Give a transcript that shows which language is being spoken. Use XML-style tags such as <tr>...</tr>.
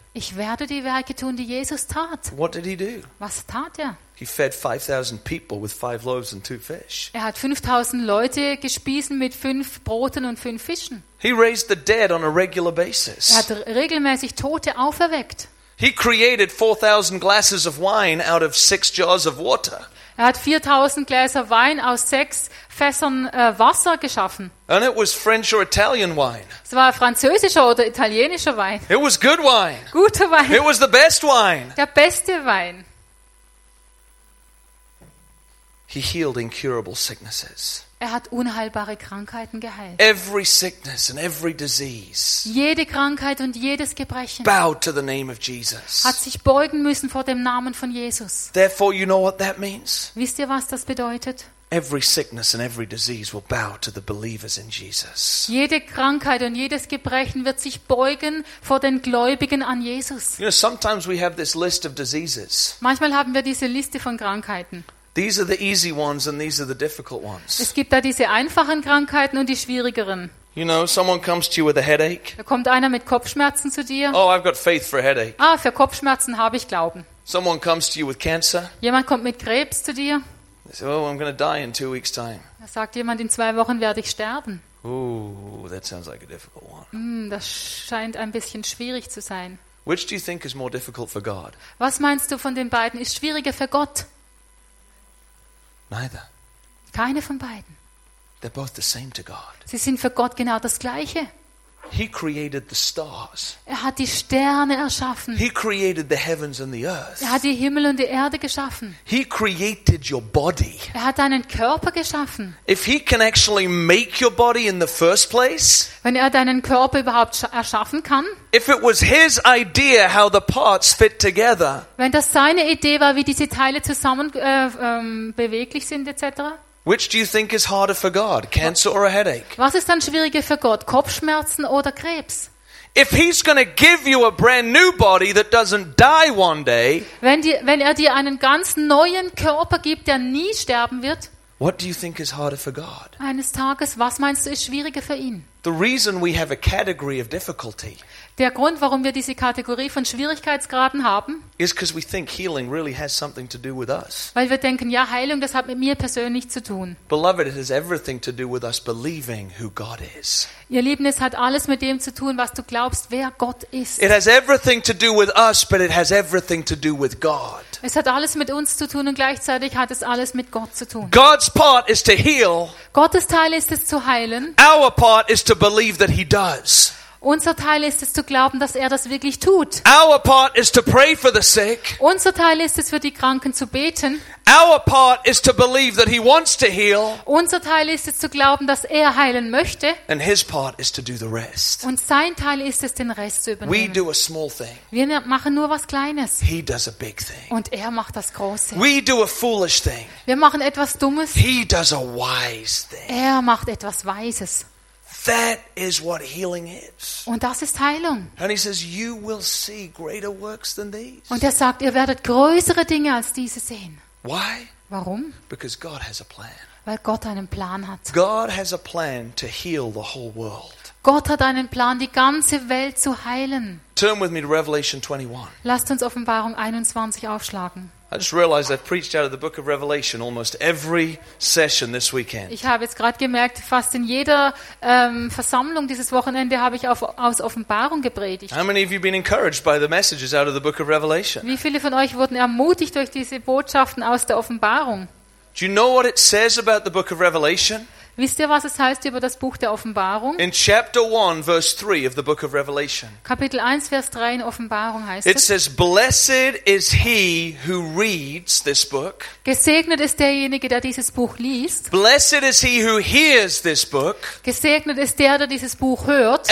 <de>Ich werde die Werke tun, die Jesus tat.</de> <en>What did he do?</en> <de>Was tat er?</de> <en>He fed 5,000 people with 5 loaves and 2 fish.</en> <de>Er hat 5,000 Leute gespiesen mit 5 Broten und 5 Fischen.</de> <en>He raised the dead on a regular basis.</en> <de>Er hat regelmäßig Tote auferweckt.</de> <en>He created 4,000 glasses of wine out of 6 jars of water.</en> <de>Er hat 4,000 Gläser Wein aus 6 Fässern Wasser geschaffen.</de> <en>And it was French or Italian wine.</en> <de>Es war französischer oder italienischer Wein.</de> <en>It was good wine.</en> <de>Guter Wein.</de> <en>It was the best wine.</en> <de>Der beste Wein.</de> <en>He healed incurable sicknesses.</en> <de>Er hat unheilbare Krankheiten geheilt.</de> <en>Every sickness and every disease.</en> <de>Jede Krankheit und jedes Gebrechen.</de> <en>Bowed to the name of Jesus.</en> <de>Hat sich beugen müssen vor dem Namen von Jesus.</de> <en>Therefore, you know what that means?</en> <de>Wisst ihr, was das bedeutet?</de> <en>Every sickness and every disease will bow to the believers in Jesus.</en> <de>Jede Krankheit und jedes Gebrechen wird sich beugen vor den Gläubigen an Jesus.</de> <en>You know, sometimes we have this list of diseases.</en> <de>Manchmal haben wir diese Liste von Krankheiten.</de> <en>These are the easy ones and these are the difficult ones.</en> <de>Es gibt da diese einfachen Krankheiten und die schwierigeren.</de> <en>You know, someone comes to you with a headache.</en> <de>Da kommt einer mit Kopfschmerzen zu dir.</de> <en>Oh, I've got faith for a headache.</en> <de>Ah, für Kopfschmerzen habe ich Glauben.</de> <en>Someone comes to you with cancer.</en> <de>Jemand kommt mit Krebs zu dir.</de> <en>They say, "Oh, I'm going to die in 2 weeks time."</en> <de>Da sagt jemand, in 2 Wochen werde ich sterben.</de> <en>Ooh, that sounds like a difficult one.</en> <de>Das scheint ein bisschen schwierig zu sein.</de> <en>Which do you think is more difficult for God?</en> <de>Was meinst du von den beiden ist schwieriger für Gott?</de> <en>Neither.</en> <de>Keine von beiden.</de> <en>They're both the same to God.</en> <de>Sie sind für Gott genau das Gleiche.</de> <en>He created the stars.</en> <de>Er hat die Sterne erschaffen.</de> <en>He created the heavens and the earth.</en> <de>Er hat die Himmel und die Erde geschaffen.</de> <en>He created your body.</en> <de>Er hat deinen Körper geschaffen.</de> <en>If he can actually make your body in the first place,</en> <de>wenn er deinen Körper überhaupt erschaffen kann,</de> <en>if it was his idea how the parts fit together,</en> <de>wenn das seine Idee war, wie diese Teile zusammen beweglich sind etc.</de> <en>Which do you think is harder for God, cancer or a headache?</en> <de>Was ist dann schwieriger für Gott, Kopfschmerzen oder Krebs?</de> <en>If he's going to give you a brand new body that doesn't die one day,</en> <de>wenn er dir einen ganz neuen Körper gibt, der nie sterben wird,</de> <en>what do you think is harder for God?</en> <de>Eines Tages, was meinst du, ist schwieriger für ihn?</de> <en>The reason we have a category of difficulty.</en> <de>Der Grund, warum wir diese Kategorie von Schwierigkeitsgraden haben,</de> <en>is because we think healing really has something to do with us.</en> <de>Weil wir denken, ja, Heilung, das hat mit mir persönlich zu tun.</de> <en>Beloved, it has everything to do with us believing who God is.</en> <de>Ihr Lieben, es hat alles mit dem zu tun, was du glaubst, wer Gott ist.</de> <en>It has everything to do with us, but it has everything to do with God.</en> <de>Es hat alles mit uns zu tun und gleichzeitig hat es alles mit Gott zu tun.</de> <en>God's part is to heal.</en> <de>Gottes Teil ist es zu heilen.</de> <en>Our part is to believe that he does.</en> <de>Unser Teil ist es zu glauben, dass er das wirklich tut.</de> <en>Our part is to pray for the sick.</en> <de>Unser Teil ist es, für die Kranken zu beten.</de> <en>Our part is to believe that he wants to heal.</en> <de>Unser Teil ist es zu glauben, dass er heilen möchte.</de> <en>And his part is to do the rest.</en> <de>Und sein Teil ist es, den Rest zu übernehmen.</de> <en>We do a small thing.</en> <de>Wir machen nur was Kleines.</de> <en>He does a big thing.</en> <de>Und er macht das Große.</de> <en>We do a foolish thing.</en> <de>Wir machen etwas Dummes.</de> <en>He does a wise thing.</en> <de>Er macht etwas Weises.</de> <en>That is what healing is.</en> <de>Und das ist Heilung.</de> <en>And he says, you will see greater works than these.</en> <de>Und er sagt, ihr werdet größere Dinge als diese sehen.</de> <en>Why?</en> <de>Warum?</de> <en>Because God has a plan.</en> <de>Weil Gott einen Plan hat.</de> <en>God has a plan to heal the whole world.</en> <de>Gott hat einen Plan, die ganze Welt zu heilen.</de> <en>Turn with me to Revelation 21.</en> <de>Lasst uns Offenbarung 21 aufschlagen.</de> <en>I just realized I've preached out of the book of Revelation almost every session this weekend.</en> <de>Ich habe jetzt gerade gemerkt, fast in jeder Versammlung dieses Wochenende habe ich aus Offenbarung gepredigt.</de> <en>How many of you been encouraged by the messages out of the book of Revelation?</en> <de>Wie viele von euch wurden ermutigt durch diese Botschaften aus der Offenbarung?</de> <en>Do you know what it says about the book of Revelation?</en> <de>Wisst ihr, was es heißt über das Buch der Offenbarung?</de> <en>In chapter 1 verse 3 of the book of Revelation.</en> <de>Kapitel 1 Vers 3 in Offenbarung heißt es.</de> <en>It says, "Blessed is he who reads this book."</en> <de>Gesegnet ist derjenige, der dieses Buch liest.</de> <en>"Blessed is he who hears this book."</en> <de>Gesegnet ist der, der dieses Buch hört.</de>